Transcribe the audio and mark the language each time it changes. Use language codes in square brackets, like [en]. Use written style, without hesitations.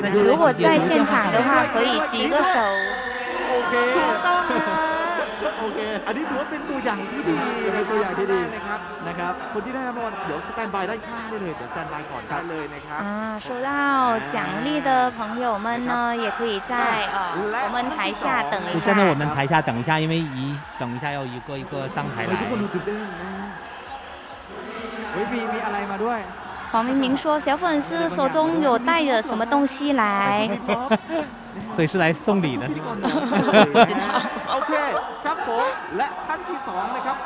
[zh] คุณ如果在现场的话可以举个手 [th] โอเค ถูกต้อง โอเคอันนี้ถือว่าเป็นตัวอย่างที่ดี เป็นตัวอย่างที่ดี นะครับ นะครับ คนที่ได้รางวัลเดี๋ยวสแตนบายได้ข้างได้เลยเดี๋ยวสแตนบายก่อนได้เลยนะครับ [zh] 收到奖励的朋友们呢也可以在我们台下等一下站在我们台下等一下因为等一下要一个上台来 [th] ทุกคนดูตื่นเต้นนะมีอะไรมาด้วย [zh] 黄明明说小粉丝手中有带着什么东西来，所以是来送礼的。不知道。 OK， 三伯，来，看第二位呢，ครับ。